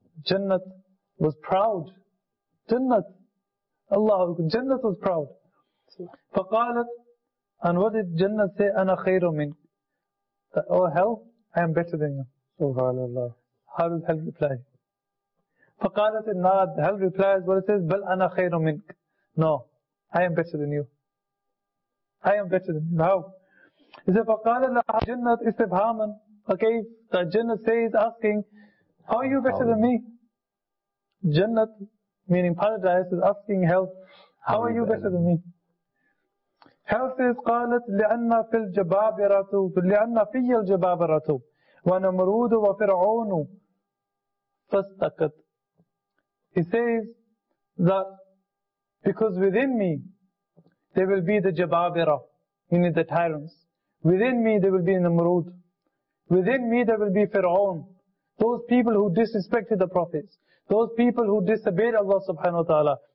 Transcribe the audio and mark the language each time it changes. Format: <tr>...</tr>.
<en>Jannat was proud. Jannat. Allah, Jannat was proud.</en> <ar>فقالت,</ar> <en>and what did Jannah say?</en> <ar>أنا خير منك.</ar> <en>Oh hell, I am better than you.</en> <ar>Subhanallah.</ar> <en>How does hell reply?</en> <ar>فقالت النار,</ar> <en>hell replies what it says,</en> <ar>بل أنا خير منك.</ar> <en>No, I am better than you. I am better than you. How? Is it</en> <ar>فقال لها جنة استفهاما?</ar> <en>Okay, the Jannah says, asking, how are you better than me? Jannah, meaning paradise, is asking hell, how are you better than me? Hell says,</en> <ar>قالت لأن في الجبابرة لأن في الجبابرة ونمرود وفرعون فاستكت.</ar> <en>He says that because within me there will be the Jababira, meaning the tyrants. Within me there will be Namrud. Within me there will be Fir'aun. Those people who disrespected the prophets. Those people who disobeyed Allah subhanahu wa ta'ala.</en>